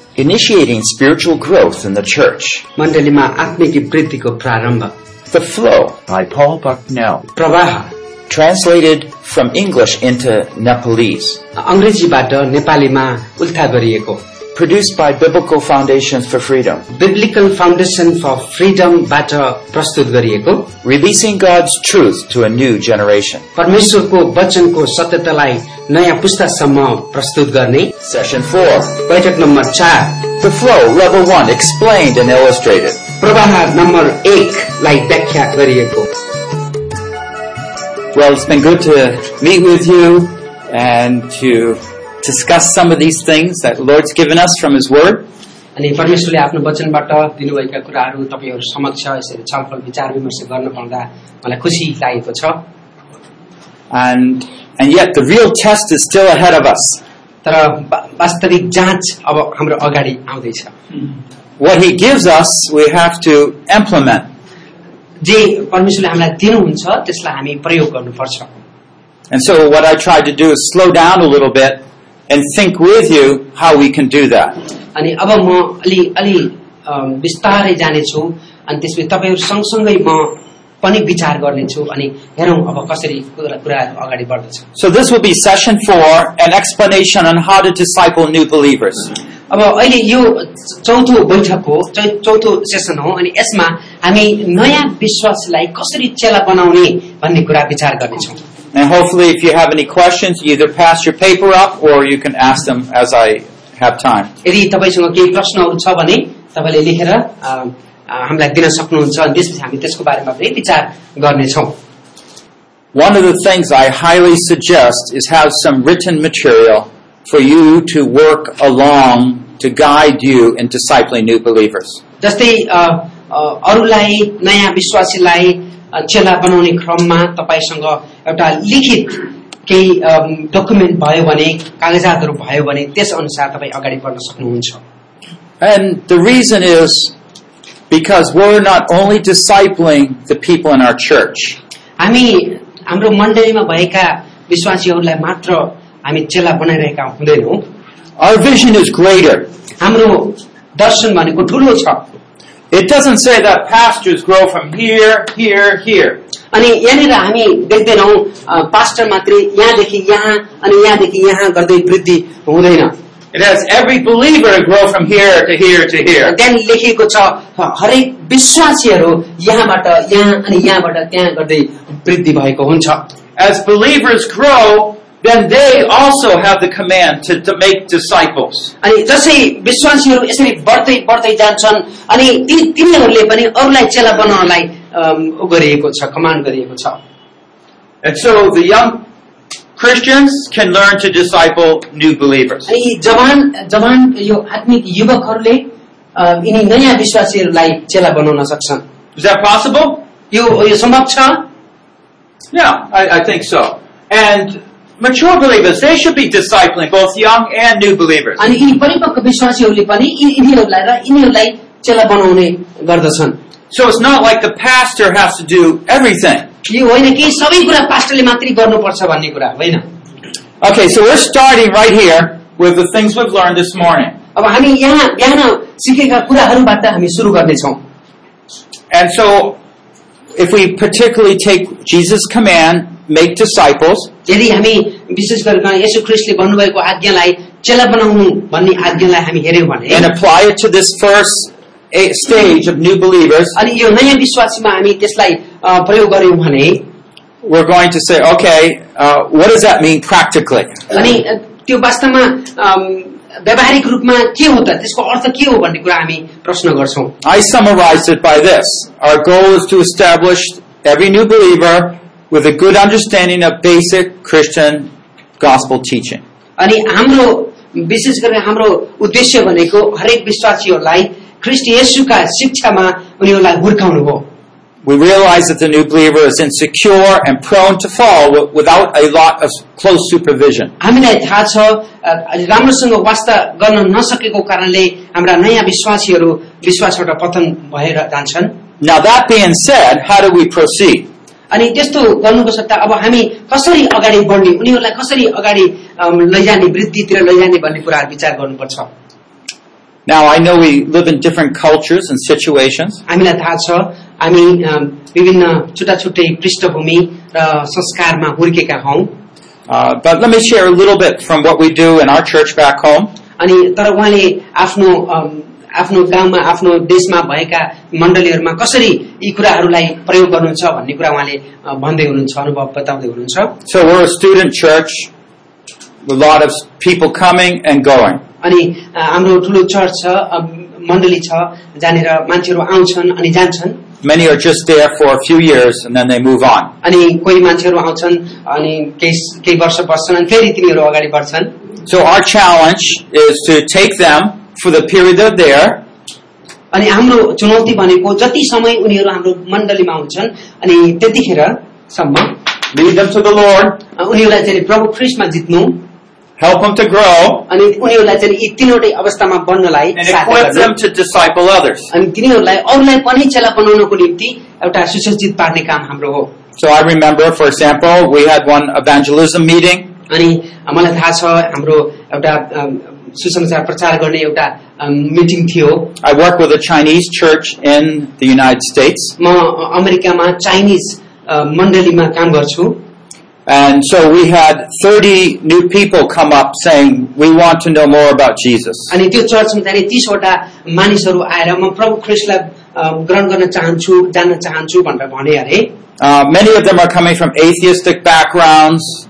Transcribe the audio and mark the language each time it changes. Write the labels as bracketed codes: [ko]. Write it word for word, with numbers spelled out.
[en] initiating spiritual growth in the church. [ne] मण्डलीमा आत्मिक वृद्धिको प्रारम्भ. [en] The Flow by Paul Bucknell. [ne] प्रवाह. [en] Translated from English into Nepalese. [ne] अंग्रेजीबाट नेपालीमा उल्था गरिएको. [en] Produced by Biblical Foundations for Freedom. [ne] Biblical Foundation for Freedom बाट प्रस्तुत गरिएको. [en] Releasing God's truth to a new generation. [ne] परमेश्वरको वचनको सत्यतालाई नयाँ पुस्तासम्म प्रस्तुत गर्ने. [en] Session four. [ne] बैठक नम्बर चार. [en] The Flow Level one explained and illustrated. [ne] प्रवाह नम्बर एक लाई व्याख्या गरिएको. [en] Well, it's been good to meet with you and to discuss some of these things that the Lord's given us from His Word. [ne] अनि परमेश्वरले आफ्नो वचनबाट दिनुभएका कुराहरू तपाईहरु समक्ष यसरी छलफल विचार विमर्श गर्न पाउँदा मलाई खुशी लागेको छ. [en] And and yet the real test is still ahead of us. [ne] तर वास्तविक जाँच अब हाम्रो अगाडि आउँदैछ. [en] What He gives us, we have to implement. [ne] जे परमेश्वरले हामीलाई दिनुहुन्छ त्यसलाई हामी प्रयोग गर्नुपर्छ. [en] And so what I tried to do is slow down a little bit and think with you how we can do that. [ne] अनि अब म अलि अलि विस्तारै जानेछु अनि त्यसपछि तपाईहरु सँगसँगै म पनि विचार गर्नेछु अनि हेरौं अब कसरी कुराहरु अगाडि बढ्दछ. [en] So this will be session four, an explanation on how to disciple new believers. [ne] अब अहिले यो चौथो बैठक हो, चौथो सेसन हो अनि यसमा हामी नयाँ विश्वासलाई कसरी चेला बनाउने भन्ने कुरा विचार गर्नेछौं. [en] And hopefully if you have any questions, you either pass your paper up or you can ask them as I have time. [ne] यदि तपाईसँग केही प्रश्नहरू छ भने तपाईले लेखेर हामीलाई दिन सक्नुहुन्छ अनि त्यसपछि हामी त्यसको बारेमा पनि विचार गर्नेछौं. [en] One of the things I highly suggest is have some written material for you to work along to guide you in discipling new believers. [ne] जस्तै अरूलाई नयाँ विश्वासीलाई चेला बनाउने क्रममा तपाईसँग एउटा लिखित केही डकुमेन्ट भयो भने कागजातहरू भयो भने त्यस अनुसार तपाई अगाडि बढ्न सक्नुहुन्छ. [en] And the reason is because we're not only discipling the people in our church. [ne] हामी हाम्रो मण्डलीमा भएका विश्वासीहरूलाई मात्र हामी चेला बनाइरहेका हुँदैनौं. [en] Our vision is greater. [ne] हाम्रो दर्शन भनेको ठूलो छ. [en] It doesn't say that pastors grow from here, here, here. [ne] अनि यहाँनिर हामी देख्दैनौं पास्टर मात्रै यहाँदेखि यहाँ अनि यहाँदेखि यहाँ गर्दै वृद्धि हुँदैन. [en] It has every believer to grow from here to here to here. [ne] त्यहाँ लेखिएको छ हरेक विश्वासीहरू यहाँबाट यहाँ अनि यहाँबाट त्यहाँ गर्दै वृद्धि भएको हुन्छ. [en] As believers grow, then they also have the command to, to make disciples. [ne] अनि जसै विश्वासीहरू यसरी बढ्दै बढ्दै जान्छन् अनि ती तिनीहरूले पनि अरूलाई चेला बनाउनलाई गरिएको छ, कमान्ड गरिएको छ. [en] And so the young Christians can learn to disciple new believers. [ne] अनि जवान जवान यो आत्मिक युवकहरूले यिनी नयाँ विश्वासीहरूलाई चेला बनाउन सक्छन्. [en] Is that possible? [ne] यो यो सम्भव छ? [en] Yeah, I, I think so. And mature believers, they should be discipling both young and new believers. [ne] अनि यी परिपक्व विश्वासीहरूले पनि यिनीहरूलाई र यिनीहरूलाई चेला बनाउने गर्दछन्. [en] So it's not like the pastor has to do everything. [ne] यो होइन कि सबै कुरा पास्टरले मात्रै गर्नुपर्छ भन्ने कुरा होइन. [en] Okay, so we're starting right here with the things we've learned this morning. [ne] अब हामी यहाँ यहाँ सिकेका कुराहरुबाट हामी सुरु गर्ने छौं. [en] And so if we particularly take Jesus' command, make disciples, [ne] यदि हामी विशेष गरेर येशू ख्रीष्टले भन्नुभएको आज्ञालाई चेला बनाउनु भन्ने आज्ञालाई हामी हेर्यौं भने [en] and apply it to this first stage of new believers, [ne] अनि यो नयाँ विश्वासीमा हामी त्यसलाई प्रयोग गर्यौं भने [en] we're going to say, okay, uh, what does that mean practically? [ne] अनि त्यो वास्तवमा व्यावहारिक रूपमा के हो त, त्यसको अर्थ के हो भन्ने कुरा हामी प्रश्न गर्छौं. [en] I summarized it by this. Our goal is to establish every new believer with a good understanding of basic Christian gospel teaching. [ne] अनि हाम्रो विशेष गरेर हाम्रो उद्देश्य भनेको हरेक विश्वासीहरूलाई ख्रीष्ट येशूका शिक्षामा उनीहरूलाई हुर्काउनु हो. [en] We realize that the new believer is insecure and prone to fall without a lot of close supervision. [ne] हामीलाई थाहा छ राम्रोसँग वास्ता गर्न नसकेको कारणले हाम्रा नयाँ विश्वासीहरू विश्वासबाट पतन भएर जान्छन्. [en] Now that being said, how do we proceed? [ne] अनि त्यस्तो गर्नुको सट्टा अब हामी कसरी अगाडि बढ्ने, उनीहरूलाई कसरी अगाडि लैजाने, वृद्धितिर लैजाने भन्ने कुराहरू विचार गर्नुपर्छ. [en] Now, I know we live in different cultures and situations, [ne] हामीलाई थाहा छ हामी अम, विभिन्न छुट्टा छुट्टै पृष्ठभूमि र संस्कारमा हुर्केका हौं। [en] uh, but let me share a little bit from what we do in our church back home. [ne] अनि तर उहाँले आफ्नो अम, आफ्नो गाउँमा आफ्नो देशमा भएका मण्डलीहरूमा कसरी यी कुराहरूलाई प्रयोग गर्नुहुन्छ भन्ने कुरा उहाँले अ, भन्दै हुनुहुन्छ, अनुभव बताउँदै हुनुहुन्छ। [en] So we're a student church, a lot of people coming and going. [ne] अनि अ, हाम्रो ठुलो चर्च छ, अम, मण्डली छ, जहाँनिर मान्छेहरू आउँछन् अनि जान्छन्। [en] Many are just there for a few years and then they move on. [ne] अनि कोही मान्छेहरू आउँछन् अनि केही केही वर्ष बस्छन् अनि फेरि तिनीहरू अगाडि बढ्छन्। [en] So our challenge is to take them for the period they're there [ne] अनि हाम्रो चुनौती भनेको जति समय उनीहरू हाम्रो मण्डलीमा हुन्छन् अनि त्यतिखेरसम्म [en] lead them to the Lord, [ne] a, उनीहरूलाई चाहिँ प्रभु ख्रिस्टमा जित्नु [en] help them to grow, [ne] अनि उनीहरूलाई चाहिँ यी तिनवटै अवस्थामा बन्नलाई [en] and [ne] सहायता [en] equip [ne] गर्नु। [en] them to disciple others. [ne] अनि तिनीहरूलाई अरूलाई पनि चेला बनाउनको निम्ति एउटा सुसज्जित पार्ने काम हाम्रो हो। [en] So I remember, for example, we had one evangelism meeting [ne] अनि मलाई थाहा छ हाम्रो एउटा अम, सुसमाचार प्रचार गर्ने एउटा मिटिङ थियो। [en] I work with a Chinese church in the United States, [ne] म अमेरिकामा चाइनिज अ, मण्डलीमा काम गर्छु। [en] and so we had thirty new people come up saying, "We want to know more about Jesus." [ne] अनि त्यो चर्चमा जाने तीसवटा मानिसहरू आएर म प्रभु ख्रिस्टलाई अ, ग्रहण गर्न चाहन्छु, जान्न चाहन्छु भनेर भने अरे। [en] Uh, many of them are coming from atheistic backgrounds,